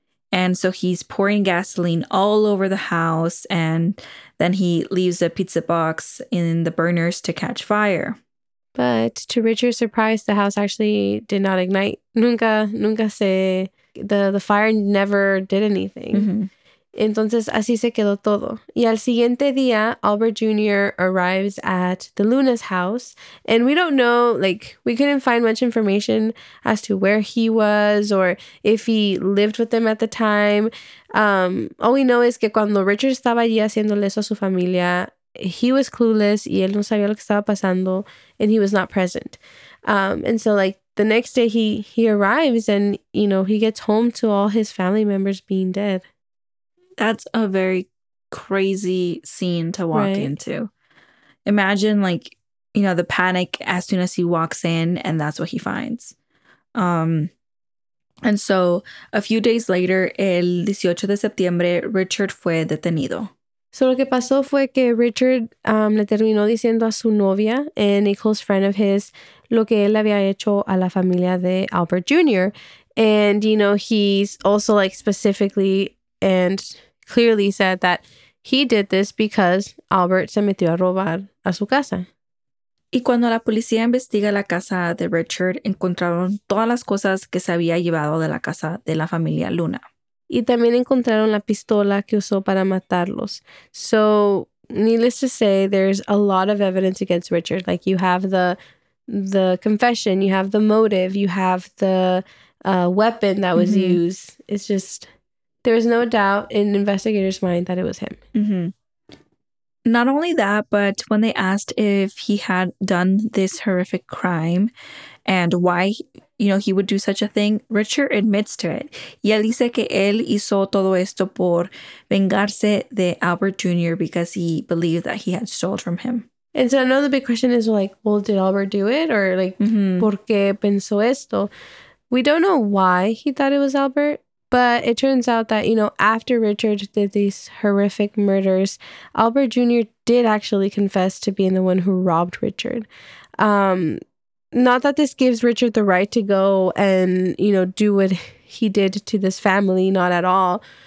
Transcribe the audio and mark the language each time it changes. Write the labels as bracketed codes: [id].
[en] And so he's pouring gasoline all over the house. And then he leaves a pizza box in the burners to catch fire. But to Richard's surprise, the house actually did not ignite. [es] Nunca se... [en] The fire never did anything. [es] Entonces, así se quedó todo. Y al siguiente día, Albert Jr. [en] arrives at the Luna's house. And we don't know, like, we couldn't find much information as to where he was or if he lived with them at the time. All we know is [es] que cuando Richard estaba allí haciéndole eso a su familia, [en] he was clueless [es] y él no sabía lo que estaba pasando [en] and he was not present. And so, like, the next day he arrives and, you know, he gets home to all his family members being dead. That's a very crazy scene to walk into. Imagine, like, you know, the panic as soon as he walks in and that's what he finds. And so a few days later, [es] el 18 de septiembre, Richard fue detenido. [en] So [es] lo que pasó fue que Richard le terminó diciendo a su novia [en] and a close friend of his [es] lo que él había hecho a la familia de Albert Jr. [en] And, you know, he's also, like, specifically and clearly said that he did this because Albert se metió a robar a su casa. [es] Y cuando la policía investiga la casa de Richard, encontraron todas las cosas que se había llevado de la casa de la familia Luna. Y también encontraron la pistola que usó para matarlos. [en] So, needless to say, there's a lot of evidence against Richard. Like, you have the confession, you have the motive, you have the weapon that was used. It's just, there was no doubt in the investigator's mind that it was him. Mm-hmm. Not only that, but when they asked if he had done this horrific crime and why, you know, he would do such a thing, Richard admits to it. [es] Y él dice que él hizo todo esto por vengarse de Albert Jr. [en] because he believed that he had stolen from him. And so I know the big question is like, well, did Albert do it? Or like, [es] ¿por qué pensó esto? [en] We don't know why he thought it was Albert. But it turns out that, you know, after Richard did these horrific murders, Albert Jr. did actually confess to being the one who robbed Richard. Not that this gives Richard the right to go and, you know, do what he did to this family, not at all.